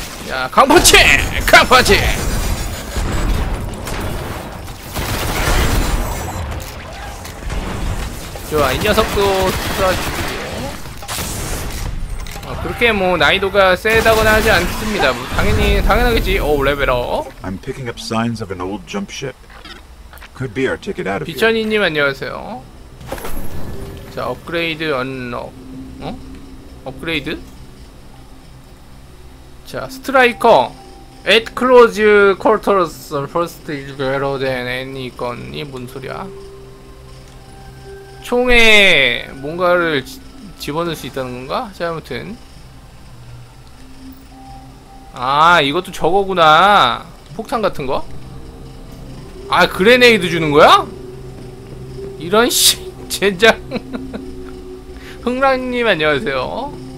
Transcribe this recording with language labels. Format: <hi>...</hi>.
<ko>야, 강펀치! 강펀치! 좋아, 이 녀석도 쏴주고. 그렇게 뭐 난이도가 세다거나 하지 않습니다. 뭐 당연하겠지. 오, 레벨업.</ko> <en>I'm picking up signs of an old jump ship. Could be our ticket out of here.</en> <ko>비천이님 안녕하세요. 자, 업그레이드 언록. 어? 업그레이드? 자, 스트라이커.</ko> <en>At close quarters, first is better than any gun</en> <ko>이 뭔 소리야? 총에 뭔가를 집어넣을 수 있다는 건가? 자, 아무튼. 아, 이것도 저거구나. 폭탄 같은 거? 아, 그레네이드 주는 거야? 이런 씨, 젠장. 흥랑님 안녕하세요.</ko>